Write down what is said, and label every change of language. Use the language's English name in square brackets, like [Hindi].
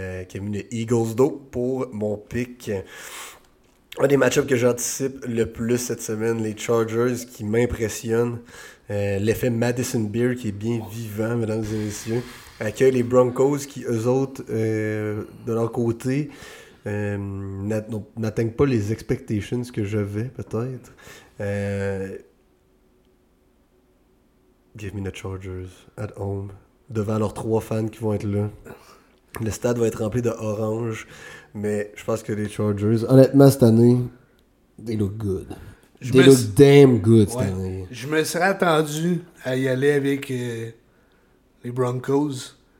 [French] Qui a mis les Eagles d'eau pour mon pick. Un des match-ups que j'anticipe le plus cette semaine, les Chargers, qui m'impressionnent. L'effet Madison Beer, qui est bien vivant, mesdames et messieurs. Accueille les Broncos qui, eux autres, de leur côté, n'atteignent pas les expectations que j'avais, peut-être. [English] Give me the Chargers at home. [French] Devant leurs trois fans qui vont être là. Le stade va être rempli de orange. Mais je pense que les Chargers, honnêtement, cette année, [English] they look good. They look damn good [French] cette année. Je me serais attendu à y aller avec les Broncos.